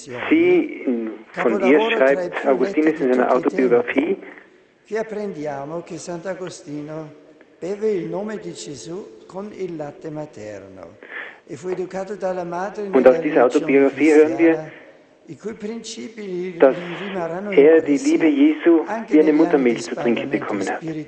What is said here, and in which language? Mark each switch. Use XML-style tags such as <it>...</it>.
<de>Sie von ihr schreibt Augustinus in seiner Autobiografie,</de> <it>che apprendiamo che Sant'Agostino beve il nome di Gesù con il latte materno e fu educato dalla madre.</it> <de>Und aus dieser Autobiografie hören wir, dass er die Liebe Jesu wie eine Muttermilch zu trinken bekommen hat.</de>